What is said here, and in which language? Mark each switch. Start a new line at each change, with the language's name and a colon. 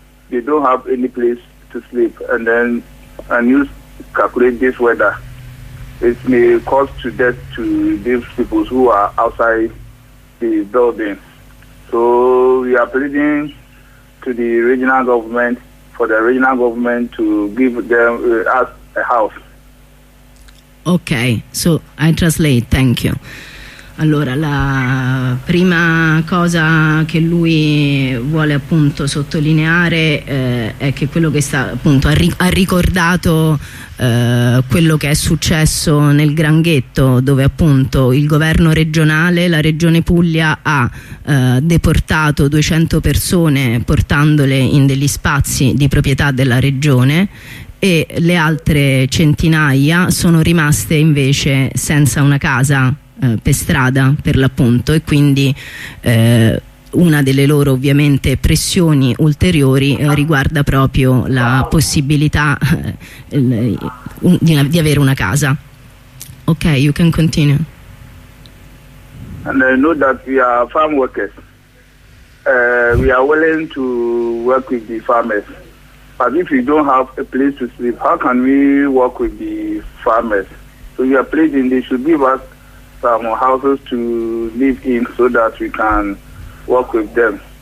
English: They don't have any place to sleep, and then, and you calculate this weather, it may cause to death to these people who are outside the building. So we are pleading to the regional government, for the regional government to give them us a house. Okay, so I translate, thank you.
Italian: Allora, la prima cosa che lui vuole appunto sottolineare è che quello che sta appunto ha ricordato quello che è successo nel Gran Ghetto, dove appunto il governo regionale, la regione Puglia, ha deportato 200 persone portandole in degli spazi di proprietà della regione, e le altre centinaia sono rimaste invece senza una casa, per strada per l'appunto, e quindi una delle loro ovviamente pressioni ulteriori riguarda proprio la possibilità di avere una casa.
English: Ok, you can continue. And I know that we are farm workers, we are willing to work with the farmers, but if we don't have a place to sleep, how can we work with the farmers? So we are pleading they should give us some houses to live in so that we can work with them.